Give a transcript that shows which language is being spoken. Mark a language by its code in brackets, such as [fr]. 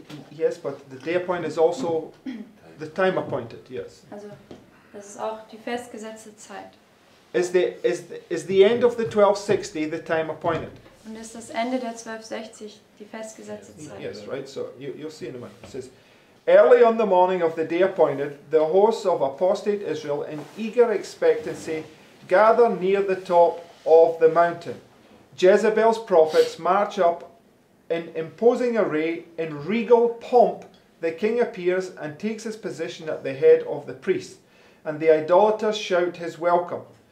[en] Yes, but the day appointed is also the time appointed, yes. [de] Also, das ist auch die festgesetzte Zeit. [en] Is the end of the 1260 the time appointed? [de] Und ist das Ende der 1260 die festgesetzte Zeit? [en] Yes, right, so you'll see in a moment. It says, early on the morning of the day appointed, the hosts of apostate Israel in eager expectancy gather near the top of the mountain. Jezebel's prophets march up. In imposing array, in regal pomp, the king appears and takes his position at the head of the priests, and the idolaters shout his welcome.